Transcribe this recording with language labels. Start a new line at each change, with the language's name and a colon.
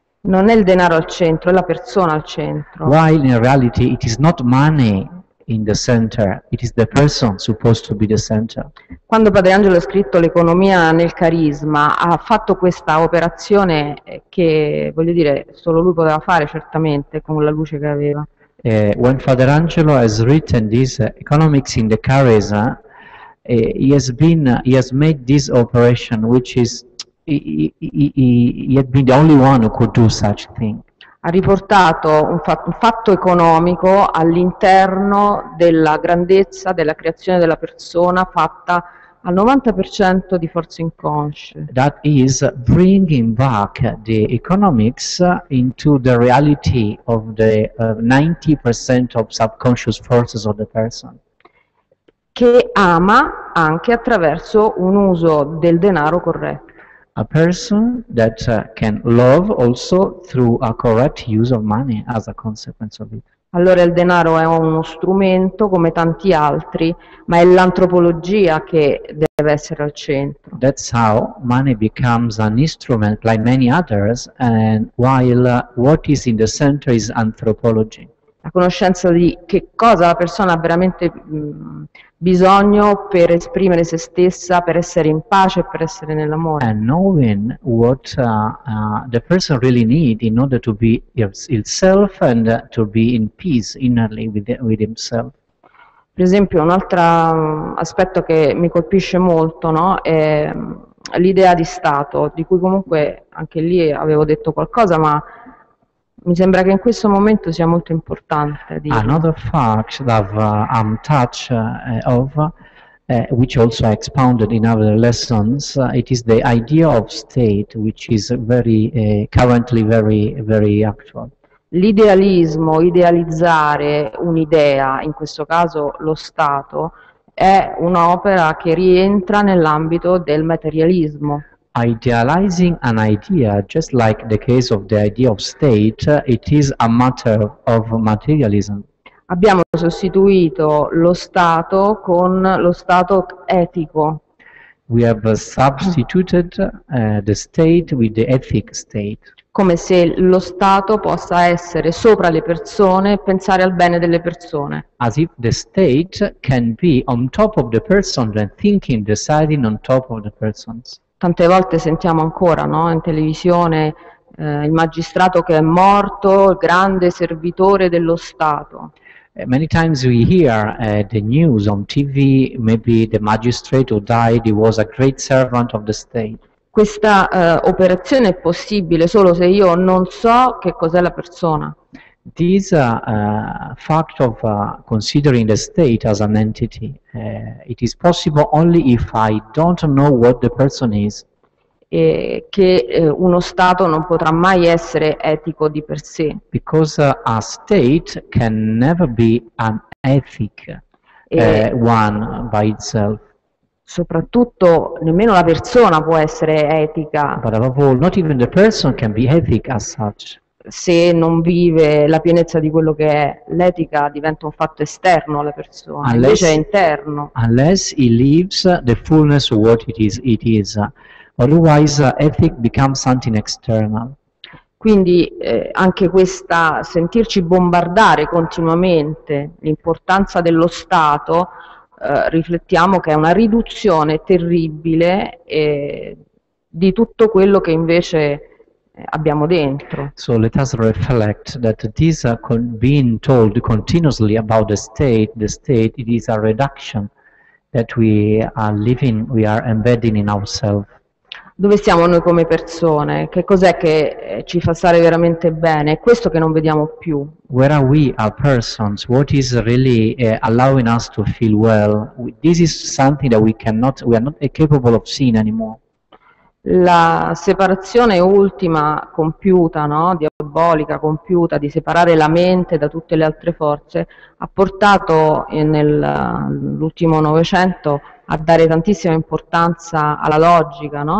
Italian: Non è il denaro al centro, è la persona al centro.
English: While in reality it is not money in the center, it is the person supposed to be the center.
Italian: Quando Padre Angelo ha scritto l'economia nel carisma, ha fatto questa operazione che, voglio dire, solo lui poteva fare certamente con la luce che aveva.
English: When Father Angelo has written this economics in the charisma, he has made this operation, which is he had been the only one who could do such thing.
Italian: Ha riportato un fatto economico all'interno della grandezza della creazione della persona fatta al 90% di forze inconsce.
English: That is bringing back the economics into the reality of the 90% of subconscious forces of the person.
Italian: Che ama anche attraverso un uso del denaro corretto.
English: A person that can love also through a correct use of money as a consequence of it.
Italian: Allora il denaro è uno strumento come tanti altri, ma è l'antropologia che deve essere al centro.
English: That's how money becomes an instrument like many others, and while what is in the center is anthropology.
Italian: la conoscenza di che cosa la persona ha veramente bisogno per esprimere se stessa, per essere in pace, per essere nell'amore.
English: And knowing what the person really need in order to be himself and to be in peace innerly with himself.
Italian: Per esempio, un altro aspetto che mi colpisce molto, no, è l'idea di Stato, di cui comunque anche lì avevo detto qualcosa, ma mi sembra che in questo momento sia molto importante dire.
English: Another fact that I'm touched of, which also expounded in other lessons, it is the idea of state, which is very currently very very actual.
Italian: L'idealismo, idealizzare un'idea, in questo caso lo Stato, è un'opera che rientra nell'ambito del materialismo.
English: Idealizing an idea, just like the case of the idea of state, it is a matter of materialism.
Italian: Abbiamo sostituito lo Stato con lo Stato etico.
English: We have substituted the state with the ethic state.
Italian: Come se lo Stato possa essere sopra le persone e pensare al bene delle persone.
English: As if the state can be on top of the person and thinking, deciding on top of the persons.
Italian: Tante volte sentiamo ancora, no, in televisione il magistrato che è morto, il grande servitore dello Stato.
English: Many times we hear the news on TV, maybe the magistrate who died, he was a great servant of the state.
Italian: Questa operazione è possibile solo se io non so che cos'è la persona.
English: This fact of considering the state as an entity, it is possible only if I don't know what the person is.
Italian: Che uno Stato non potrà mai essere etico di per sé.
English: Because a state can never be an ethic one by itself.
Italian: Soprattutto nemmeno la persona può essere etica.
English: But above all, not even the person can be ethic as such.
Italian: Se non vive la pienezza di quello che è l'etica, diventa un fatto esterno alla persona,
English: unless,
Italian: invece è interno.
English: Unless he lives the fullness of what it is. Otherwise ethic becomes something external.
Italian: Quindi anche questa sentirci bombardare continuamente l'importanza dello Stato, riflettiamo che è una riduzione terribile di tutto quello che invece abbiamo dentro.
English: So let us reflect that this being told continuously about the state, it is a reduction that we are living, we are embedding in ourselves.
Italian: Dove siamo noi come persone? Che cos'è che ci fa stare veramente bene? È questo che non vediamo più.
English: Where are we as persons? What is really allowing us to feel well? This is something that we are not capable of seeing anymore.
Italian: La separazione ultima compiuta, no? Diabolica compiuta, di separare la mente da tutte le altre forze, ha portato nell'ultimo Novecento a dare tantissima importanza alla logica, no?